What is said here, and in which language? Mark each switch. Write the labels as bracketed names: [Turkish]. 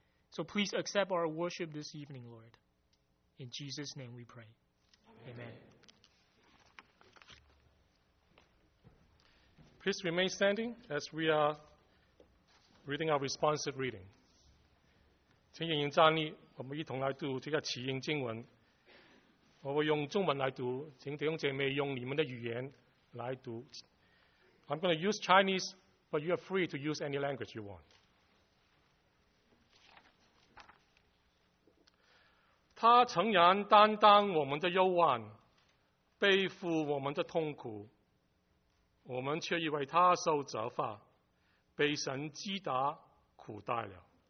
[English] So please accept our worship this evening, Lord. In Jesus' name we pray. Amen. Amen. Please remain standing as we are reading our responsive reading. [Chinese] 请引用站立，我们一同来读这个起因经文。我会用中文来读，请弟兄姐妹用你们的语言来读。 [English] I'm going to use Chinese, but you are free to use any language you want. [Chinese] 他诚然担当我们的忧患，背负我们的痛苦，我们却以为他受责罚，被神击打苦待了。